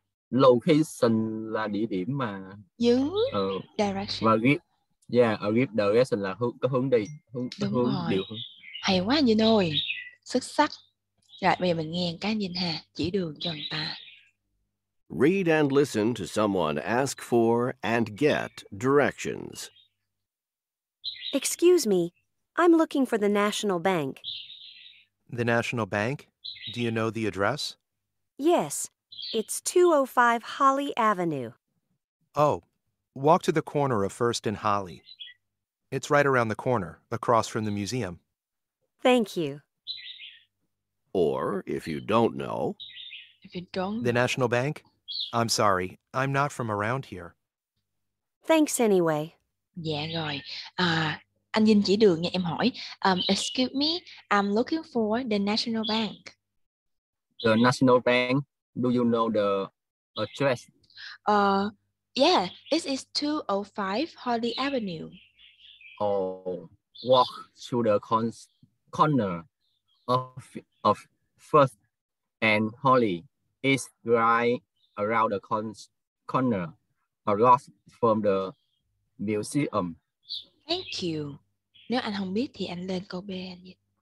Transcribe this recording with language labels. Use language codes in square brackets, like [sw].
[vi] Location là địa điểm mà dưới direction. Và grip. Yeah, a grip direction là hướng đi, hướng điều. Hay quá anh Vinh ơi. Xuất sắc. Rồi bây giờ mình nghe cái nhìn ha, chỉ đường cho người ta. [en] Read and listen to someone ask for and get directions. Excuse me. I'm looking for the National Bank. The National Bank? Do you know the address? Yes. It's 205 Holly Avenue. Oh, walk to the corner of First and Holly. It's right around the corner, across from the museum. Thank you. Or, if you don't know... If you don't... The National Bank? I'm sorry, I'm not from around here. Thanks anyway. [vi] Yeah, rồi. Anh Vinh chỉ đường nha, em hỏi. [en] Excuse me, I'm looking for the National Bank. The National Bank? Do you know the address? Yeah, this is 205 Holly Avenue. Oh, walk to the corner of First and Holly. It's right around the corner, across from the museum. Thank you. [vi] Nếu anh không biết thì anh lên câu B anh nhé.